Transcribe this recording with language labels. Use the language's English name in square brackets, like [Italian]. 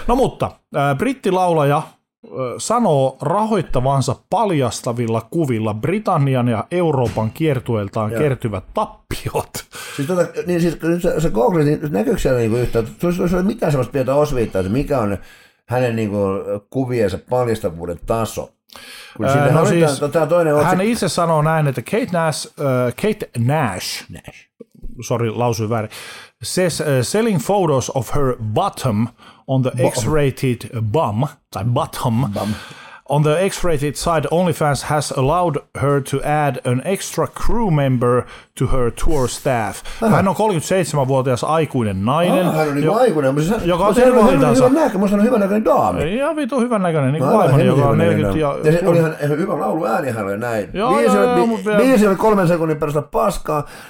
[Finnish] No mutta, brittilaulaja sanoo rahoittavansa paljastavilla kuvilla Britannian ja Euroopan kiertueltaan kertyvät tappiot. Siis se Google, niin näkyykö siellä niinku yhtään, tulisi mitään sellaista pientä osviittaa, että mikä on... Hänen niin kuin, kuviensa paljastavuuden taso. No siis, tämä toinen hän itse sanoo näin, että Kate Nash. [English] Sorry, [Finnish] lausui väärin, [English] says selling photos of her bottom on the X-rated bum, [Finnish] tai [English] bottom, bum. On the X-rated side, OnlyFans has allowed her to add an extra crew member to her tour staff. [Finnish] Aha. Hän on 37-vuotias aikuinen nainen. Hän on niin aikuinen, mutta siis joka on tehnyt hyvän näköinen. Minusta hän on hyvän näköinen daami. Ja vitu hyvän näköinen, niin kuin vaimoni, joka on 40. Ja se oli ihan hyvä laulu ääni, hän oli näin. Biisi oli 3 sekunnin perästä paskaa.